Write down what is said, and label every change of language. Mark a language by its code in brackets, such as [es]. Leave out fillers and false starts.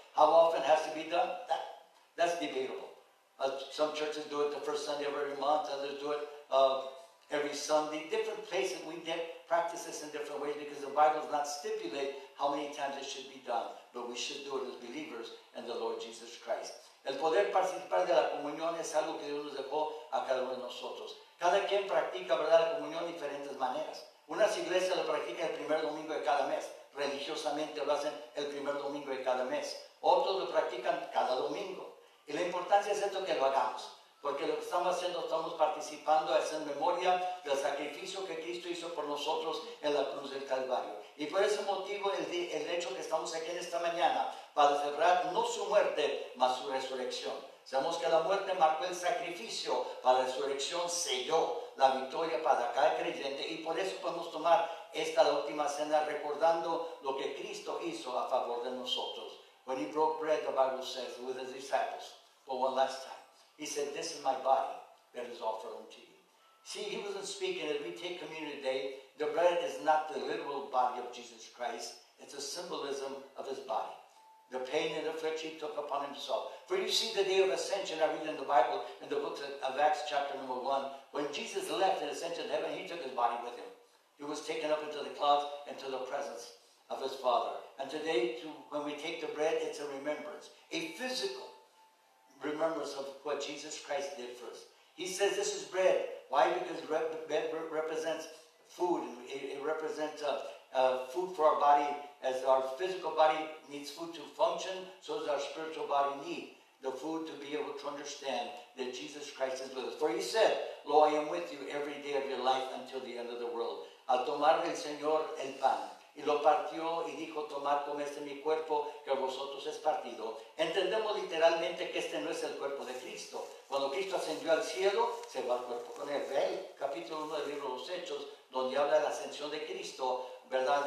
[en] How often has to be done? That's debatable. Some churches do it the first Sunday of every month. Others do it every Sunday. Different places we get practice this in different ways because the Bible does not stipulate how many times it should be done, but we should do it as believers in the Lord Jesus Christ. [es] El poder participar de la comunión es algo que Dios nos dejó a cada uno de nosotros. Cada quien practica, ¿verdad?, la comunión de diferentes maneras. Unas iglesias lo practican el primer domingo de cada mes. Religiosamente lo hacen el primer domingo de cada mes. Otros lo practican cada domingo. Y la importancia es esto que lo hagamos. Porque lo que estamos haciendo, estamos participando, es en memoria del sacrificio que Cristo hizo por nosotros en la cruz del Calvario. Y por ese motivo, el hecho que estamos aquí en esta mañana, para celebrar no su muerte, mas su resurrección. Sabemos que la muerte marcó el sacrificio, para la resurrección selló la victoria para cada creyente. Y por eso podemos tomar esta última cena, recordando lo que Cristo hizo a favor de nosotros. [en] When He broke bread, the Bible says, with His disciples, for one last time. He said, this is my body that is offered unto you. See, he wasn't speaking as we take communion today. The bread is not the literal body of Jesus Christ. It's a symbolism of his body. The pain and affliction he took upon himself. For you see, the day of ascension, I read in the Bible, in the book of Acts chapter number 1, when Jesus left and ascended to heaven, he took his body with him. He was taken up into the clouds, into the presence of his Father. And today, when we take the bread, it's a remembrance, a physical remembrance of what Jesus Christ did for us. He says this is bread. Why? Because bread represents food. It represents food for our body. As our physical body needs food to function, so does our spiritual body need the food to be able to understand that Jesus Christ is with us. For he said, Lo, I am with you every day of your life until the end of the world. [es] Al tomar el Señor el pan, y lo partió, y dijo, Tomad, comed este mi cuerpo, que a vosotros es partido. Entendemos literalmente que este no es el cuerpo de Cristo. Cuando Cristo ascendió al cielo, se va al cuerpo con él. Ve el capítulo 1 del libro de los Hechos, donde habla de la ascensión de Cristo, ¿verdad?